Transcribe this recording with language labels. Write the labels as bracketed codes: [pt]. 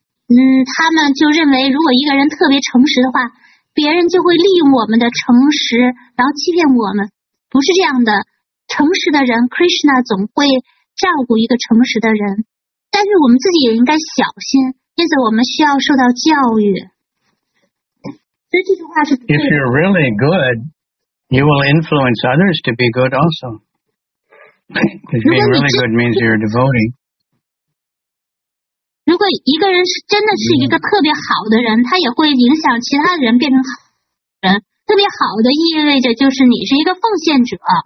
[zh] 嗯，他们就认为如果一个人特别诚实的话，别人就会利用我们的诚实，然后欺骗我们。不是这样的，诚实的人 Krishna 总会照顾一个诚实的人，但是我们自己也应该小心，因此我们需要受到教育。 [en] If you're really good, you will influence others to be good also. Because being really good means you're a devotee. [zh] 如果一个人真的是一个特别好的人，他也会影响其他人变成好人。特别好的意味着就是你是一个奉献者。